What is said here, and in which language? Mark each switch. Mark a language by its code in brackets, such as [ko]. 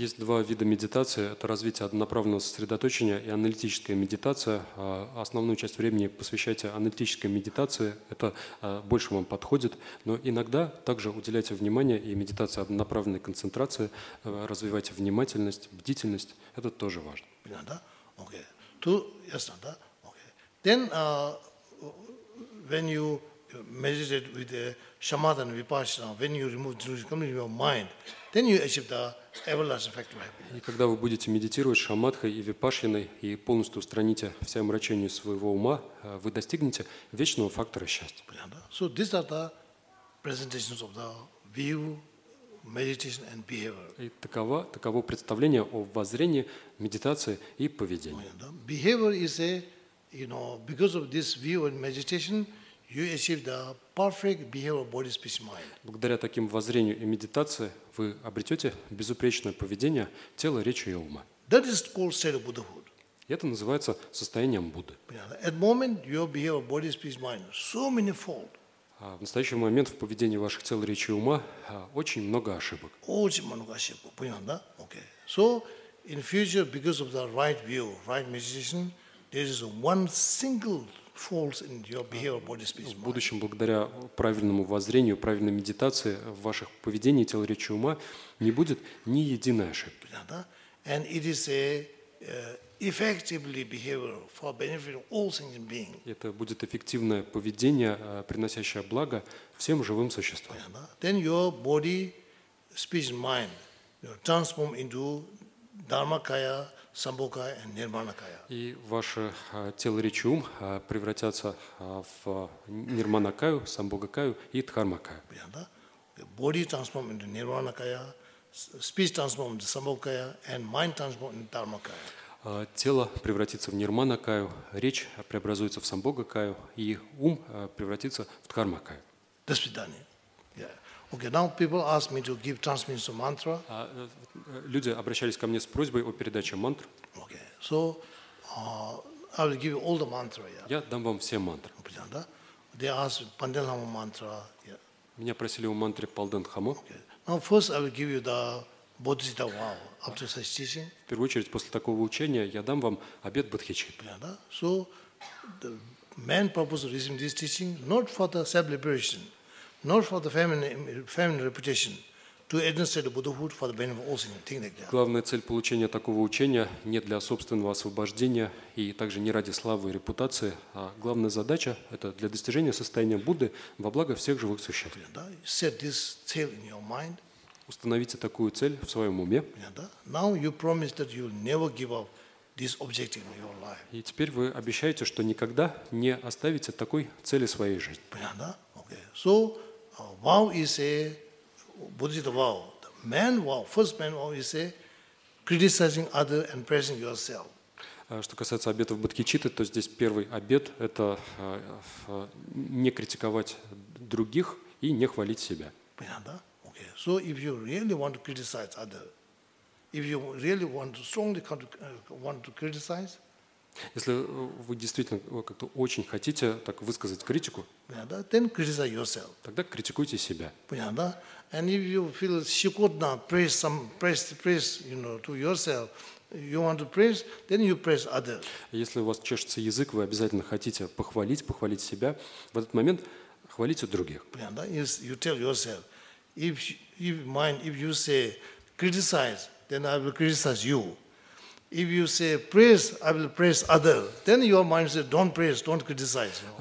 [ru] Есть два вида медитации. Это развитие однонаправленного сосредоточения и аналитическая медитация. Основную часть времени посвящайте аналитической медитации. Это больше вам подходит. Но иногда также уделяйте внимание и медитации однонаправленной концентрации. Развивайте внимательность, бдительность. Это тоже важно. Понятно, да? [en] Okay. To, yes, [ru] да? [en] Okay. Then, when you meditate with the shamatha and vipassana, when you remove delusion completely from your mind, then you achieve the everlasting factor of happiness. [ru] И когда вы будете медитировать шамадхой и випашьяной и полностью устраните все омрачение своего ума, вы достигнете вечного фактора счастья. Понятно? [en] So these are the presentations of the view, meditation and behavior. [ru] И таково представление о воззрении, медитации и поведении. [en] Behavior is a, you know, because of this view and meditation, you achieve the perfect behavior, body, speech, mind. [ru] Благодаря таким воззрению и медитации вы обретете безупречное поведение тела, речи и ума. [en] That is called state of Buddhahood. [ru] Это называется состоянием Будды. [en] At moment your behavior, body, speech, mind, so many fault. [ru] В настоящий момент в поведении ваших тел, речи и ума очень много ошибок. Очень много ошибок, понятно, да? [en] Okay. So in future, because of the right view, right meditation, there is one single falls in your behavior, body, speech, mind. [ru] В будущем, благодаря правильному воззрению, правильной медитации в ваших поведении, тела, речи, ума, не будет ни единой ошибки. [en] And it is a effectively behavior for benefit of all sentient beings. [ru] Это будет эффективное поведение, приносящее благо всем живым существам. [en] Then your body, speech, mind, you know, transform into dharmakaya, самбхукая и нирманакая. [ru] И ваше тело, речь и ум превратятся в нирманакаю, самбхукаю и дхармакаю. Понятно? [en] Body transform into nirmanakaya, speech transform into самбхукая, and mind transform into dharmakaya. [ru] Тело превратится в нирманакаю, речь преобразуется в самбхукаю, и ум превратится в дхармакаю. До свидания. [en] Okay, now people ask me to give transmission of mantra. [ru] Люди обращались ко мне с просьбой о передаче мантр. [en] Okay, so I will give you all the mantra. Yeah. [ru] Я дам вам все мантры. Понятно, да? [en] They ask Панделхама mantra. Yeah. [ru] Меня просили о мантре Панделхама. [en] Okay. Now first I will give you the Bodhicitta vow after such teaching. [ru] В первую очередь после такого учения я дам вам обет бодхичитты. Понятно, да? [en] So the main purpose of receiving this teaching not for the self-liberation. Not for the family reputation, to enter the Buddhahood for the benefit of all sentient beings. Like [ru] главная цель получения такого учения не для собственного освобождения и также не ради славы и репутации, а главная задача это для достижения состояния Будды во благо всех живых существ. [en] Set this goal in your mind. [ru] Установите такую цель в своем уме. [en] Now you promise that you will never give up this objective in your life. [ru] И теперь вы обещаете, что никогда не оставите такой цели своей жизни. Понятно? [en] Okay. Bhakti. So, vow is a Buddhist vow. The man vow, first man vow is a criticizing other and praising yourself. [ru] Что касается обетов Бодхичитты, то здесь первый обет – это не критиковать других и не хвалить себя. Понятно, да? [en] Okay. So, if you really want to criticize other, if you really want to strongly want to criticize, [ru] если вы действительно как-то очень хотите так высказать критику, да? [en] Then criticize yourself. [ru] Тогда критикуйте себя. Понятно, да? [en] And if you feel shikodna, praise some, praise, you know, to yourself, you want to praise, then you praise others. [ru] Если у вас чешется язык, вы обязательно хотите похвалить себя, в этот момент хвалите других. Понятно, да? [en] Yes, you tell yourself, if you say criticize, then I will criticize you. If you say praise, I will praise other. Then your mind says, don't praise, don't criticize.